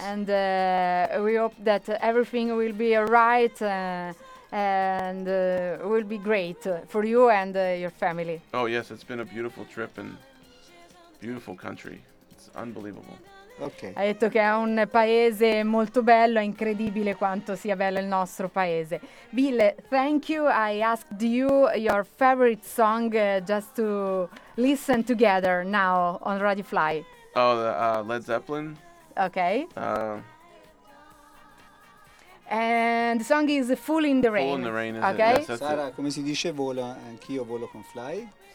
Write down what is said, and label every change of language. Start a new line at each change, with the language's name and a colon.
English: And we hope that everything will be all right and will be great for you and your family. Oh, yes. It's been a beautiful trip and beautiful country. It's unbelievable. Okay.
Italian: Ha detto che è un paese molto bello, è incredibile quanto sia bello il nostro paese.
English: Bill, thank you. I asked you your favorite song just to listen together now on Radio Fly. Oh, Led Zeppelin. Okay. And the song is Fool in the Rain. Fool in the Rain, is okay? It? Yes,
Italian: Sara, come si dice vola, anch'io volo con Fly.